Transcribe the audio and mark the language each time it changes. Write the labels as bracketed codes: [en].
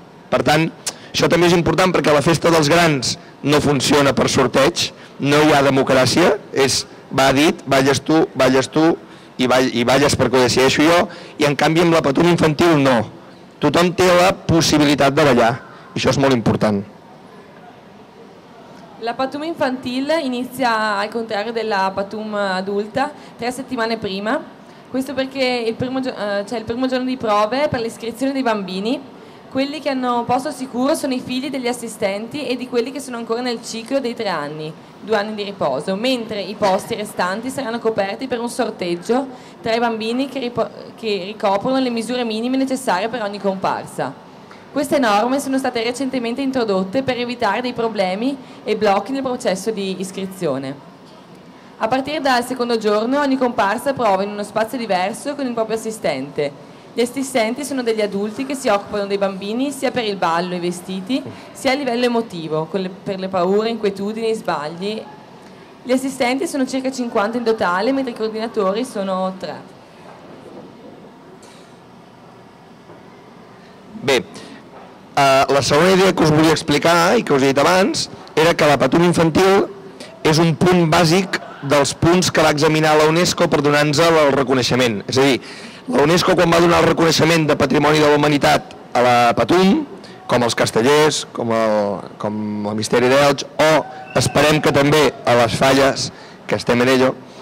[ca] Per tant, això també és important perquè la festa dels grans no funciona per sorteig, no hi ha democràcia, és va dit, balles tu, i balles perquè ho decideixo jo, i en canvi amb la Patum infantil no. Tothom té la possibilitat de ballar, i això és molt important. [it] La Patum infantil inizia al contrario della Patum adulta 3 settimane prima Questo perché il primo giorno di prove per l'iscrizione dei bambini, quelli che hanno posto sicuro sono i figli degli assistenti e di quelli che sono ancora nel ciclo dei 3 anni, 2 anni di riposo, mentre i posti restanti saranno coperti per un sorteggio tra i bambini che ricoprono le misure minime necessarie per ogni comparsa. Queste norme sono state recentemente introdotte per evitare dei problemi e blocchi nel processo di iscrizione. A partire dal secondo giorno, ogni comparsa prova in uno spazio diverso con il proprio assistente. Gli assistenti sono degli adulti che si occupano dei bambini sia per il ballo e i vestiti, sia a livello emotivo, per le paure, inquietudini, sbagli. Gli assistenti sono circa 50 in totale, mentre i coordinatori sono 3. [ca] Bé, la segona idea que us volia explicar i que us he dit abans era que la patum infantil és un punt bàsic dels punts que va examinar la UNESCO per donar-nos el reconeixement. És a dir, la UNESCO quan va donar el reconeixement de Patrimoni de la Humanitat a la Patum, com els castellers, com el Misteri d'Elx, o esperem que també a les falles, que estem [es] en ello,